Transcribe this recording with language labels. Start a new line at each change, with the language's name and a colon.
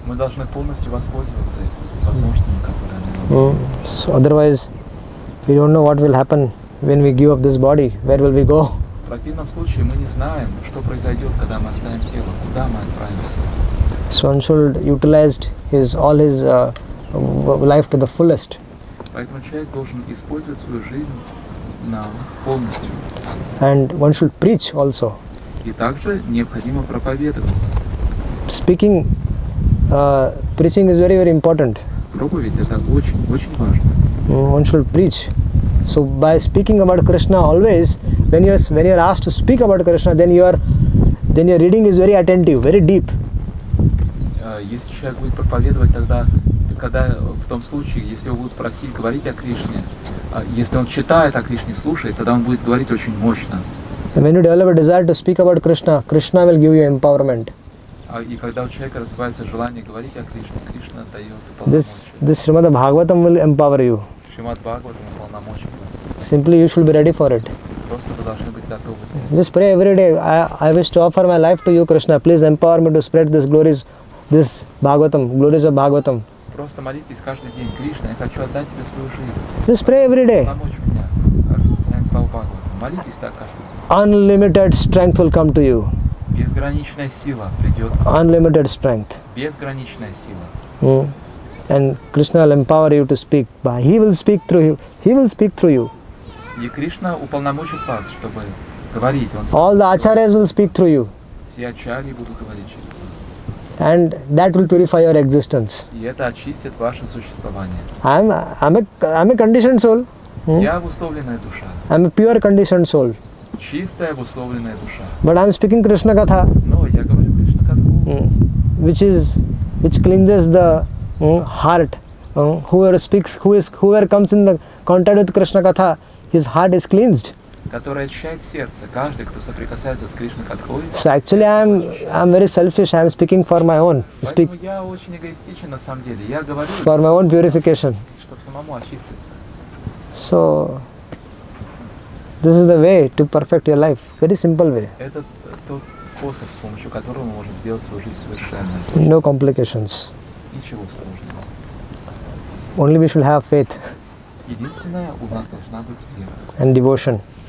Russian: Мы должны полностью воспользоваться возможностями, которые они дают.
English: So otherwise, we don't know what will happen when we give up this body. Where will we go?
Russian: противном случае мы не знаем, что произойдет, когда мы оставим тело, куда мы отправимся.
English: Swanshul utilized his all his life to the fullest.
Russian: Поэтому человек должен использовать свою жизнь на полностью.
English: And one should preach also.
Russian: И также необходимо проповедовать.
English: Speaking, preaching is very, very important.
Russian: Проповедь это очень, очень важно.
English: One should preach. So by speaking about Krishna always, when you are asked to speak about Krishna, then your reading is very attentive, very deep.
Russian: Если человек будет проповедовать, тогда когда в том случае, если его будут просить говорить о Кришне, если он читает о Кришне, слушает, тогда он будет говорить очень мощно.
English: When you develop a desire to speak about Krishna, Krishna will give you empowerment.
Russian: И когда у человека развивается желание говорить о Кришне, Кришна дает полномочия.
English: This Srimad Bhagavatam will empower you. Srimad Bhagavatam will empower you. Simply you should be ready for it.
Russian: Просто вы должны быть готовы.
English: Just pray every day. I wish to offer my life to you, Krishna. Please empower me to spread this glories, this Bhagavatam, glories of Bhagavatam.
Russian: Просто молитесь каждый день, Кришна, я хочу отдать тебе свою жизнь.
English: Just pray every day.
Russian: Помочь мне распространять славу Бхагавата. Молитесь так каждый день.
English: Unlimited strength will come to you.
Russian: Безграничная сила придет.
English: Unlimited strength.
Russian: Безграничная сила.
English: And Krishna will empower you to speak. He will speak through you. He will speak through you.
Russian: И Кришна уполномочит вас, чтобы говорить.
English: All the acharyas will speak through you.
Russian: Все ачарьи будут говорить через вас.
English: And that will purify your existence.
Russian: И это очистит ваше существование.
English: I'm a conditioned soul.
Russian: Я обусловленная душа.
English: I'm a pure conditioned soul.
Russian: Чистая, обусловленная душа.
English: But I'm speaking Krishna Katha.
Russian: No, я говорю Krishna Katha.
English: Which cleanses the heart. Whoever comes in the contact with Krishna Katha, his heart is cleansed.
Russian: Которая очищает сердце. Каждый, кто соприкасается с Кришна Катхой.
English: So actually, I'm very selfish. I'm speaking for my own. Speak.
Russian: Я очень эгоистичен на самом деле. Я говорю.
English: For my own purification.
Russian: Чтобы самому очиститься.
English: So. This is the way to perfect your life. Very simple way.
Russian: Это тот способ, с помощью которого мы можем сделать свою жизнь совершенной.
English: No complications.
Russian: Ничего сложного.
English: Only we should have faith.
Russian: Единственное, у нас должна быть вера.
English: And devotion.